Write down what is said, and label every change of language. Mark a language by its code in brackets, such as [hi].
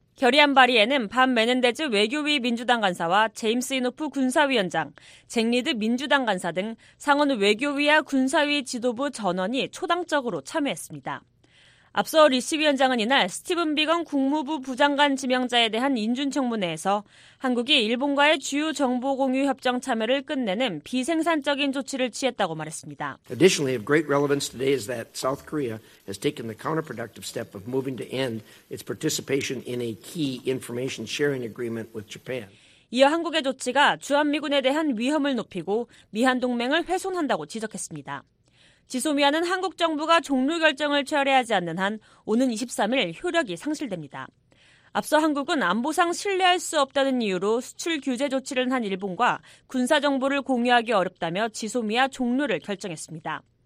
[ko] 결의안 발의에는 밤 메넨데즈 외교위 민주당 간사와 제임스 이노프 군사위원장, 잭 리드 민주당 간사 등 상원 외교위와 군사위 지도부 전원이 초당적으로 참여했습니다. 앞서 리시 위원장은 이날 스티븐 비건 국무부 부장관 지명자에 대한 인준청문회에서 한국이 일본과의 주요 정보 공유 협정 참여를 끝내는 비생산적인 조치를 취했다고 말했습니다. [en] Additionally, of great relevance today is that South Korea has taken the counterproductive step of moving to end its participation in a key information sharing agreement with Japan. [ko] 이어 한국의 조치가 주한미군에 대한 위험을 높이고 미한 동맹을 훼손한다고 지적했습니다. 지소미아는 한국 정부가 종료 결정을 철회하지 않는 한 오는 23일 효력이 상실됩니다. 앞서 한국은 안보상 신뢰할 수 없다는 이유로 수출 규제 조치를 한 일본과 군사 정보를 공유하기 어렵다며 지소미아 종료를 결정했습니다.